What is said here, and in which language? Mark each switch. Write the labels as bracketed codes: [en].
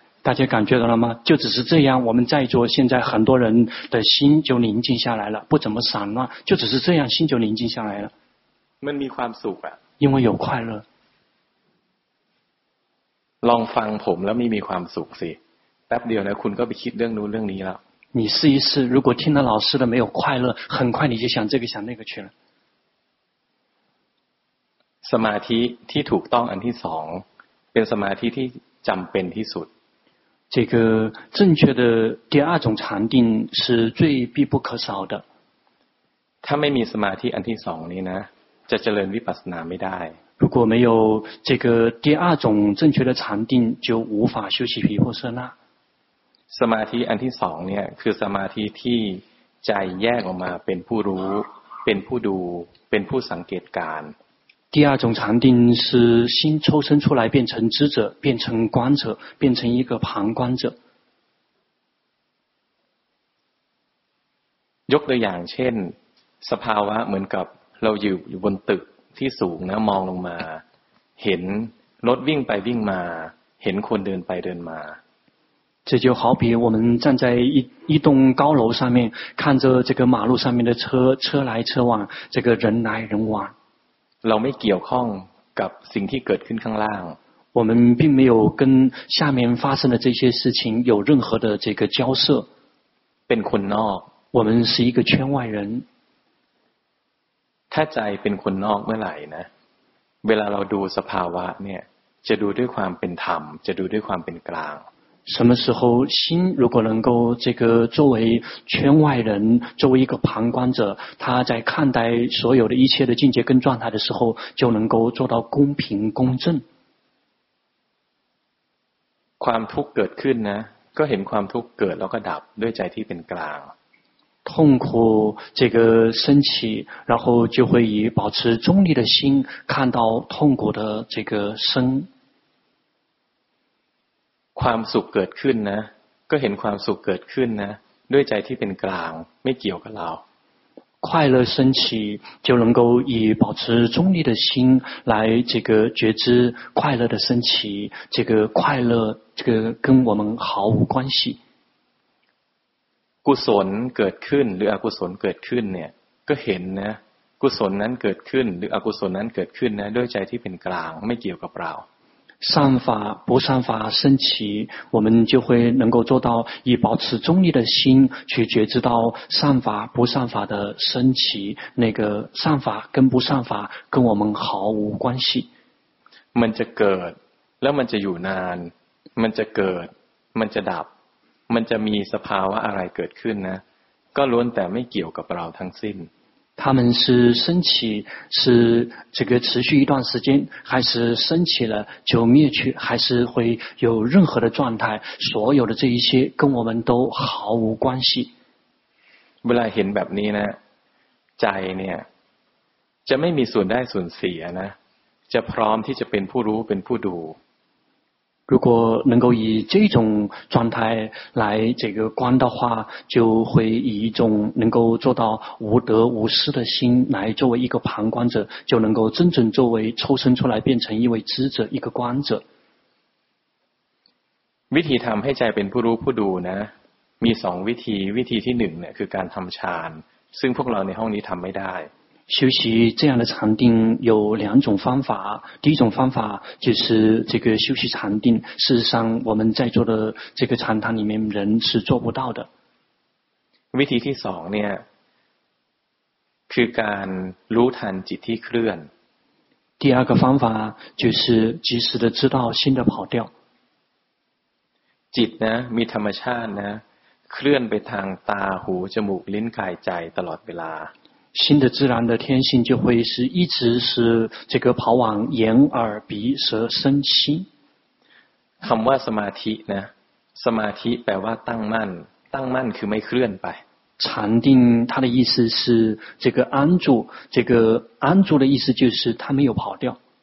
[zh] 大家感觉到了吗就只是这样我们在座现在很多人的心就宁静下来了不怎么散乱就只是这样心就宁静下来了 [th] มันมีความสุขอะ [zh] 因为有快乐 [th] ลองฟังผมแล้วมีความสุขสิแป๊บเดียวนะคุณก็ไปคิดเรื่องนู้นเรื่องนี้แล้ว [zh] 你试一试如果听了老师的没有快乐很快你就想这个想那个去了 [th] สมาธิที่ถูกต้องอันที่สองเป็นสมาธิที่จำเป็นที่สุด [zh] 这个正确的第二种禅定是最必不可少的 [th] ถ้าไม่มีสมาธิอันที่สองนี้นะจะเจริญวิปัสสนาไม่ได้ [zh] 如果没有这个第二种正确的禅定就无法修习毗婆舍那 [th] สมาธิอันที่สองเนี่ยคือสมาธิที่ใจแยกออกมาเป็นผู้รู้เป็นผู้ดูเป็นผู้สังเกตการ [zh] 第二种禅定是心抽身出来变成知者变成观者变成一个旁观者 [th] ยกตัวอย่างเช่นสภาวะเหมือนกับเราอยู่บนตึกที่สูงนะมองลงมาเห็นรถวิ่งไปวิ่งมาเห็นคนเดินไปเดินมา [zh] 这就好比我们站在一栋高楼上面看着这个马路上面的车来车往这个人来人往 [th] เราไม่เกี่ยวข้องกับสิ่งที่เกิดขึ้นข้างล่าง [zh] 我们并没有跟下面发生的这些事情有任何的这个交涉 [th] เป็นคนนอก [zh] 我们是一个圈外人 [th] ถ้าใจเป็นคนนอกเมื่อไหร่นะเวลาเราดูสภาวะเนี่ยจะดูด้วยความเป็นธรรมจะดูด้วยความเป็นกลาง [zh] 什么时候心如果能够这个作为圈外人作为一个旁观者他在看待所有的一切的境界跟状态的时候就能够做到公平公正 [th] ความทุกข์เกิดขึ้นนะก็เห็นความทุกข์เกิดแล้วก็ดับด้วยใจที่เป็นกลาง [zh] 痛苦这个升起然后就会以保持中立的心看到痛苦的这个生 [th] ความสุขเกิดขึ้นนะก็เห็นความสุขเกิดขึ้นนะด้วยใจที่เป็นกลางไม่เกี่ยวกับเรา [zh] 快乐升起就能够以保持中立的心来这个觉知快乐的升起这个快乐这个跟我们毫无关系 [th] กุศลเกิดขึ้นหรืออกุศลเกิดขึ้นเนี่ยก็เห็นนะกุศลนั้นเกิดขึ้นหรืออกุศลนั้นเกิดขึ้นนะด้วยใจที่เป็นกลางไม่เกี่ยวกับเรา [zh] 善法不善法升起我们就会能够做到以保持中立的心去觉知到善法不善法的升起那个善法跟不善法跟我们毫无关系 [th] มันจะเกิดแล้วมันจะอยู่นานมันจะเกิดมันจะดับมันจะมีสภาวะอะไรเกิดขึ้นนะก็ล้วนแต่ไม่เกี่ยวกับเราทั้งสิ้น [zh] 他们是升起是这个持续一段时间还是升起了就灭去还是会有任何的状态所有的这一些跟我们都毫无关系 [th] เวลาเห็นแบบนี้นะใจเนี่ยจะไม่มีส่วนได้ส่วนเสียนะจะพร้อมที่จะเป็นผู้รู้เป็นผู้ดู [zh] 如果能够以这种状态来这个观的话就会以一种能够做到无得无失的心来作为一个旁观者就能够真正作为抽身出来变成一位知者一个观者 [th] วิธีทำให้ใจเป็นผู้รู้ผู้ดูนะมีสองวิธีวิธีที่หนึ่งเนี่ยคือการทำฌานซึ่งพวกเราในห้องนี้ทำไม่ได้ [zh] 修习这样的禅定有两种方法第一种方法就是这个修习禅定事实上我们在座的这个禅堂里面人是做不到的 [th] วิธีที่สองเนี่ยคือการรู้ทันจิตที่เคลื่อน [zh] 第二个方法就是及时的知道心的跑掉 [th] จิตนะมีธรรมชาตินะเคลื่อนไปทางตาหูจมูกลิ้นกายใจตลอดเวลา [zh] 新的自然的天性就会是一直是这个跑往眼耳鼻舌身心。 [th] คำว่าสมาธินะสมาธิแปลว่าตั้งมั่นตั้งมั่นคือไม่เคลื่อนไป [zh] 禅定它的意思是这个安住这个安住的意思就是它没有跑掉